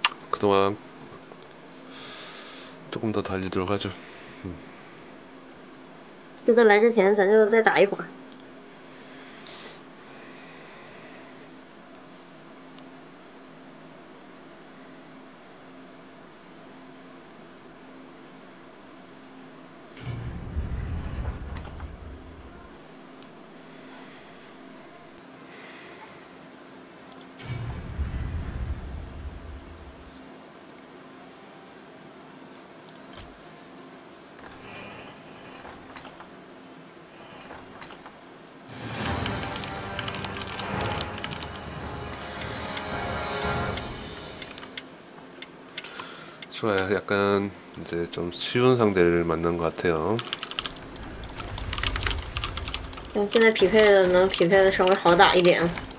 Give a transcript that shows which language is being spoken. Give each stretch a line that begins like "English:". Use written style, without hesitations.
Korean: 그동안 조금 더 달리도록 하죠.
Chinese: 这个来之前，咱就再打一会儿。
Korean: 좋아요. 약간 이제 좀 쉬운 상대를 만난 것 같아요.
Chinese: 我现在匹配的能匹配的稍微好打一点。